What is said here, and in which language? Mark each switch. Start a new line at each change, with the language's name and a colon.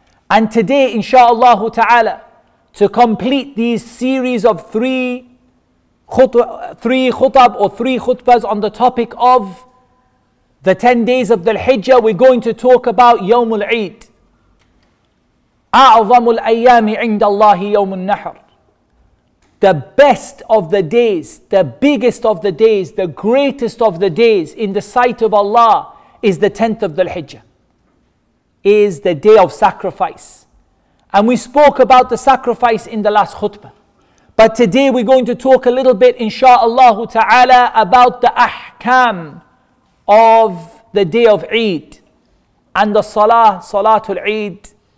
English: And today, inshaAllah ta'ala, to complete these series of three three khutab or three khutbas on the topic of the 10 days of the Hijjah. We're going to talk about Yawm al-Eid.
Arabic: أعظم الأيام عند الله يوم النحر.
English: The best of the days, the biggest of the days, the greatest of the days in the sight of Allah is the 10th of Dhul-Hijjah, is the day of sacrifice. And we spoke about the sacrifice in the last khutbah. But today we're going to talk a little bit, inshaAllah ta'ala, about the ahkam of the day of Eid and the salah, salatul Eid.